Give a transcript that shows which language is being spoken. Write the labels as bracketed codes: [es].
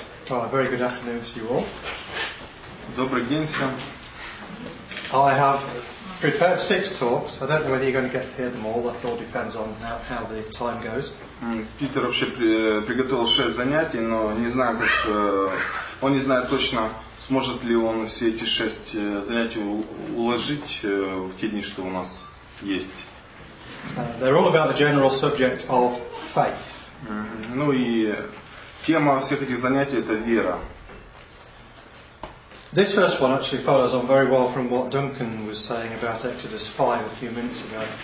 [en] Well, a very good afternoon to you all. [ru] Добрый день всем. [en] I have prepared 6 talks. I don't know whether you're going to get to hear them all. That all depends on how the time goes. [ru] Питер вообще приготовил 6 занятий, но не знаю, как он не знает точно, сможет ли он все эти 6 занятий уложить в те дни, что у нас есть. [en] They're all about the general subject of faith. [ru] Ну и тема всех этих занятий — это вера. [en] This first one actually follows on very well from what Duncan was saying about Exodus 5 a few minutes ago.